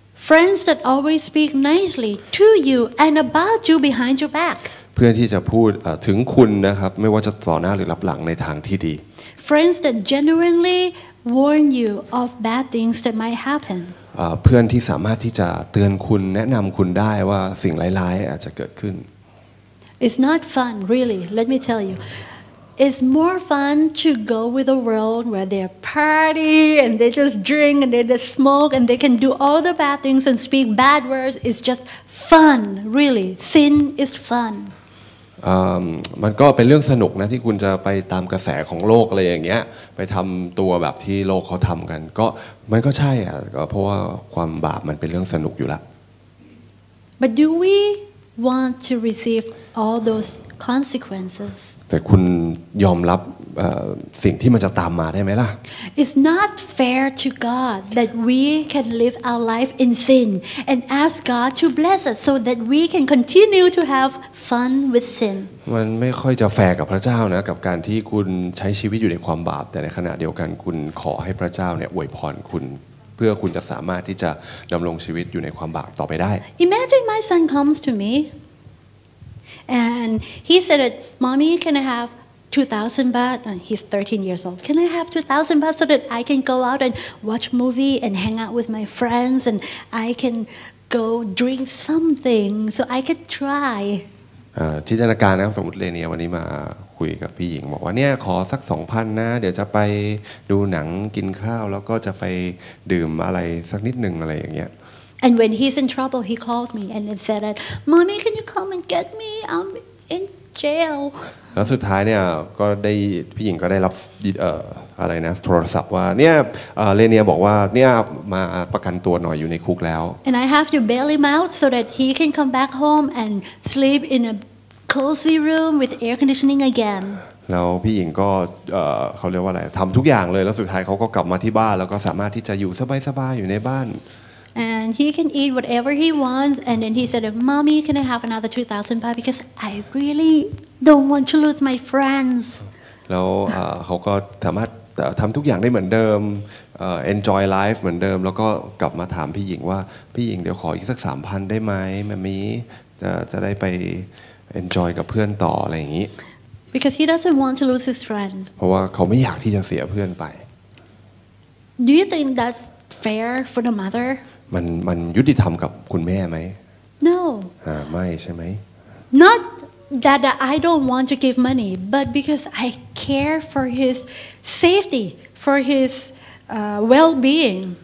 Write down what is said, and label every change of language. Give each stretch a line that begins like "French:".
English: Friends that always speak nicely to you and about you behind your back.
Thai: เพื่อนที่จะพูดถึงคุณนะครับไม่ว่าจะต่อหน้าหรือรับหลังในทางที่ดี
English: Friends that genuinely warn you of bad things that might happen.
Thai: เพื่อนที่สามารถที่จะเตือนคุณแนะนำคุณได้ว่าสิ่งร้ายๆอาจจะเกิดขึ้น
English: It's not fun, really. Let me tell you. It's more fun to go with a world where they party and they just drink and they just smoke and they can do all the bad things and speak bad words. It's just fun, really. Sin is fun.
Thai: มันก็เป็นเรื่องสนุกนะที่คุณจะไปตามกระแสของโลกอะไรอย่างเงี้ยไปทำตัวแบบที่โลกเขาทำกันก็มันก็ใช่อ่ะเพราะว่าความบาปมันเป็นเรื่องสนุกอยู่ละ
English: But do we want to receive all thoseconsequences
Thai: แต่คุณยอมรับสิ่งที่มันจะตามมาได้ไหมล่ะ
English: It's not fair to God that we can live our life in sin and ask God to bless us so that we can continue to have fun with sin
Thai: มันไม่ค่อยจะแฟร์กับพระเจ้านะกับการที่คุณใช้ชีวิตอยู่ในความบาปแต่ในขณะเดียวกันคุณขอให้พระเจ้าเนี่ยอวยพรคุณเพื่อคุณจะสามารถที่จะดำรงชีวิตอยู่ในความบาปต่อไปได้
English: Imagine my son comes to me And he said, "Mommy, can I have 2,000 baht?" And he's 13 years old. "Can I have 2,000 baht so that I can go out and watch movie and hang out with my friends and I can go drink something so I could try?"
Thai: จินตนาการนะสมมติเลยเนี่ยวันนี้มาคุยกับพี่หญิงบอกว่าเนี่ยขอสัก 2,000 นะเดี๋ยวจะไปดูหนังกินข้าวแล้วก็จะไปดื่มอะไรสักนิดนึงอะไรอย่างเงี้ย
English: And when he's in trouble he calls me and then said that, "Mommy, can you come and get me? I'm in jail."
Thai: แล้วสุดท้ายเนี่ยก็ได้พี่หญิงก็ได้รับอะไรนะโทรศัพท์ว่าเนี่ยเลเนียบอกว่าเนี่ยมาประกันตัวหน่อยอยู่ในคุกแล้ว
English: And I have to bail him out so that he can come back home and sleep in a cozy room with air conditioning again
Thai: แล้วพี่หญิงก็เขาเรียกว่าอะไรทำทุกอย่างเลยแล้วสุดท้ายเขาก็กลับมาที่บ้านแล้วก็สามารถที่จะอยู่สบายๆอยู่ในบ้าน
English: And he can eat whatever he wants and then he said, "Mommy, can I have another 2,000 baht because I reallydon't want to lose my friends
Thai: แล้วเขาก็สามารถทำทุกอย่างได้เหมือนเดิม
English: enjoy life
Thai: เหมือนเดิมแล้วก็กลับมาถามพี่หญิงว่าพี่หญิงเดี๋ยวขออีกสัก 3,000 ได้ไหมแมมมี่จะได้ไป enjoy กับเพื่อนต่ออะไรอย่างนี้
English: because he doesn't want to lose his friend
Thai: เพราะว่าเขาไม่อยากที่จะเสียเพื่อนไป
English: do you think that's fair for the mother
Thai: มันยุติธรรมกับคุณแม่ไ
English: หม no
Thai: ไม่ใช่ไหม
English: notThat I don't want to give money, but because I care for his safety, for his well-being.